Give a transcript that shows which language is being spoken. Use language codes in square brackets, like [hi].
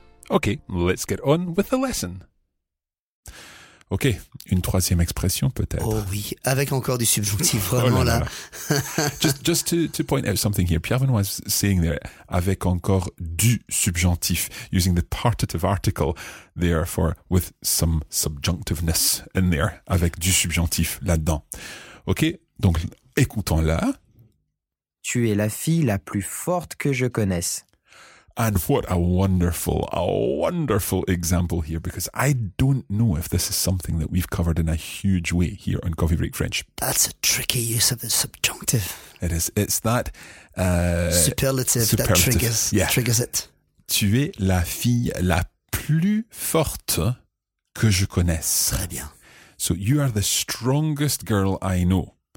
[en] Okay, let's get on with the lesson. [fr] Ok, une troisième expression peut-être. Oh oui, avec encore du subjonctif vraiment là. [en] just to point out something here, Pierre Benoît was saying there, [fr] avec encore du subjonctif, [en] using the partitive article there for with some subjunctiveness in there, [fr] avec du subjonctif là-dedans. Ok, donc écoutons-la. Tu es la fille la plus forte que je connaisse. [en] And what a wonderful example here, because I don't know if this is something that we've covered in a huge way here on Coffee Break French. That's a tricky use of the subjunctive. It is. It's that superlative. That triggers it. [fr] Tu es la fille la plus forte que je connaisse. Très bien. [en] So you are the strongest girl I know.